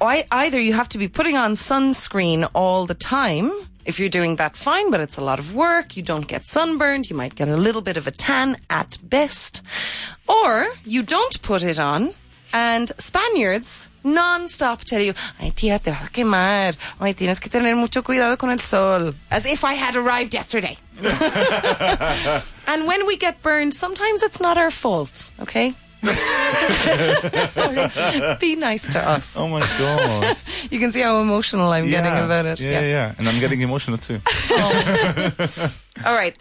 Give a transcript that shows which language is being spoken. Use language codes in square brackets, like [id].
[en] Either you have to be putting on sunscreen all the time. If you're doing that, fine, but it's a lot of work. You don't get sunburned. You might get a little bit of a tan at best. Or you don't put it on and Spaniards non-stop tell you, [es] ay, tía, te vas a quemar. Ay, tienes que tener mucho cuidado con el sol. [en] As if I had arrived yesterday. And when we get burned, sometimes it's not our fault, okay? Be nice to us. Oh, my God. You can see how emotional I'm getting about it. Yeah. And I'm getting emotional, too. All right.